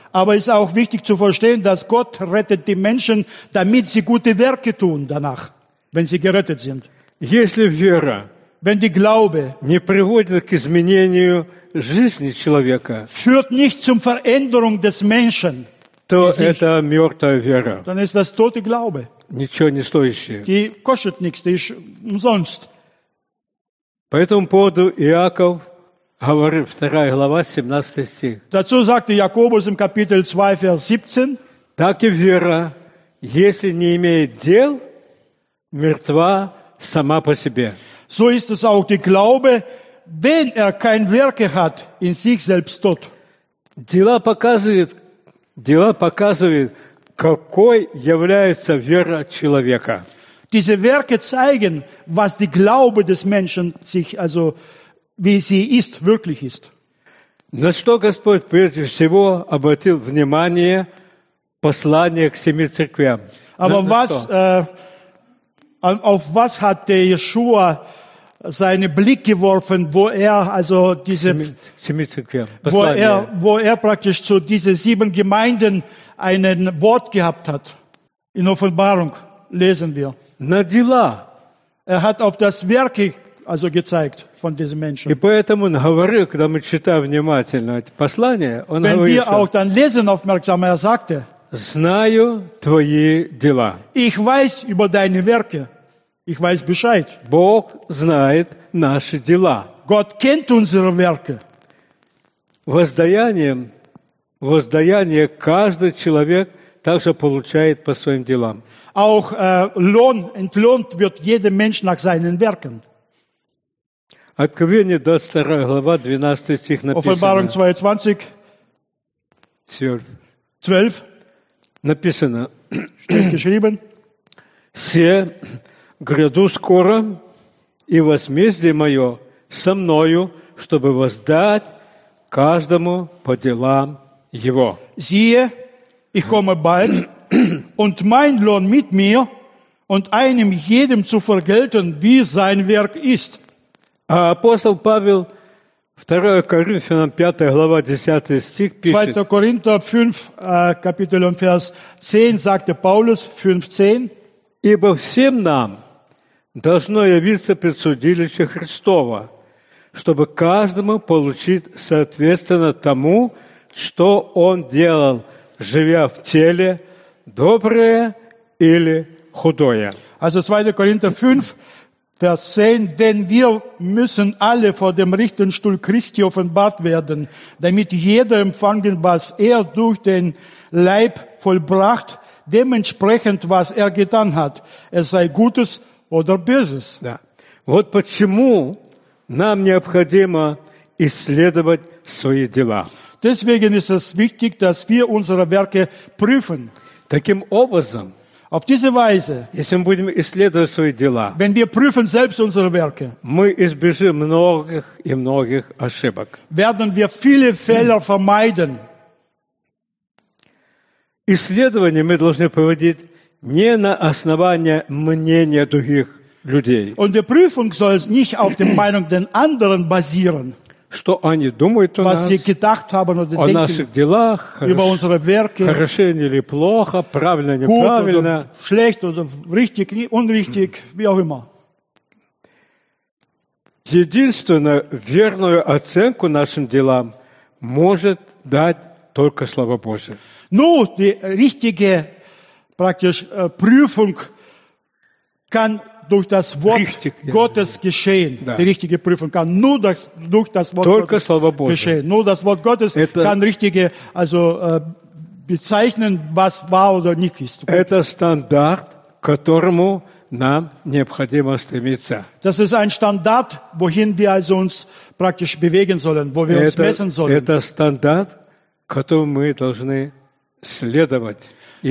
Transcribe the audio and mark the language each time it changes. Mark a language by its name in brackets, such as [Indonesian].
[German] Aber es ist auch wichtig zu verstehen, dass Gott rettet die Menschen, damit sie gute Werke tun danach, wenn sie gerettet sind. [Russian] Если вера, [German] wenn die Glaube [Russian] не приводит к изменению жизни человека, [German] führt nicht zum Veränderung des Menschen, [Russian] то это мертвая вера. [German] Dann ist das tote Glaube. [Russian] Ничего не стоящее. [German] Die kostet nichts, die ist umsonst. [Russian] По этому поводу Иаков говорит, 2 глава, 17 стих. [German] Dazu sagte Jakobus im Kapitel 2, Vers 17, [Russian] так и вера, если не имеет дел, мертва сама по себе. [German] So ist es auch die Glaube, wenn kein Werke hat, in sich selbst tot. [Russian] Дела показывают, какой является вера человека. [German] Diese Werke zeigen, was die Glaube des Menschen sich, also wie sie ist, wirklich ist. [Russian] На что Господь прежде всего обратил внимание послание к семи церквям? [German] Aber was, auf was hat der Yeshua seinen Blick geworfen, wo er also diese, wo er praktisch zu diesen sieben Gemeinden ein Wort gehabt hat? In Offenbarung lesen wir. [Russian] На дела. [German] Er hat auf das Werk also gezeigt von diesen Menschen. [Russian] И поэтому он говорил, когда мы читаем внимательно это послание, он [German] Wenn [Russian] говорит, [German] wir auch dann lesen aufmerksam, er sagte, [Russian] знаю твои дела. [German] Ich weiß über deine Werke. Ich weiß Bescheid. [Russian] Бог знает наши дела. [German] Gott kennt unsere Werke. [Russian] Воздаяние каждый человек также получает по своим делам. [German] Auch Lohn entlohnt wird jeder Mensch nach seinen Werken. [Russian] Откровение 22 глава 12 стих написано. [German] Offenbarung 22, 12. [Russian] Написано. [German] Steht geschrieben. [Russian] Се гряду скоро, и возмездие мое со мною, чтобы воздать каждому по делам его. [German] Siehe, ich komme bald, und mein Lohn mit mir, und einem jedem zu vergelten, wie sein Werk ist. [Russian] А апостол Павел 2 Коринфянам 5 глава 10 стих пишет. [German] 2 Коринфянам 5, Kapitel und Vers 10, sagte Paulus 5:10. [Russian] Ибо всем нам должно явиться предсудилище Христово, чтобы каждому получить соответственно тому, что он делал, живя в теле, доброе или худое. [German] Also 2 Коринфянам 5, Vers 10, denn wir müssen alle vor dem Richterstuhl Christi offenbart werden, damit jeder empfangen, was er durch den Leib vollbracht, dementsprechend, was er getan hat, es sei Gutes oder Böses. [Russian] Да. Вот почему нам необходимо исследовать свои дела. [German] Deswegen ist es wichtig, dass wir unsere Werke prüfen. [Russian] Таким образом, [German] Auf diese Weise, [Russian] если мы будем исследовать свои дела, [German] wenn wir prüfen selbst unsere Werke, [Russian] мы избежим многих и многих ошибок. [German] Werden wir viele Fehler vermeiden. [Russian] Исследования мы должны проводить не на основании мнения других людей. [German] Und die Prüfung soll nicht auf der Meinung der anderen basieren. [Russian] Что они думают о [German] Was [Russian] нас, [German] sie gedacht haben oder [Russian] о наших делах, [German] über unsere Werke, [Russian] хорошо или плохо, правильно или неправильно, [German] oder schlecht oder richtig, unrichtig, wie auch immer. [Russian] Единственную верную оценку нашим делам может дать только Слово Божие. [German] Ну, die richtige praktisch Prüfung kann durch das Wort Richtig, Gottes ja. geschehen, [Russian] да. [German] Die richtige Prüfung kann nur das, durch das Wort [Russian] Только [German] Gottes [Russian] Слово Божие. [German] Geschehen. Nur das Wort Gottes [Russian] это, [German] kann richtige, also bezeichnen, was war oder nicht ist. [Russian] Это стандарт, к которому нам необходимо стремиться. [German] Das ist ein Standard, wohin wir also uns praktisch bewegen sollen, wo wir uns messen sollen. [Russian] Это стандарт, к которому мы должны следовать и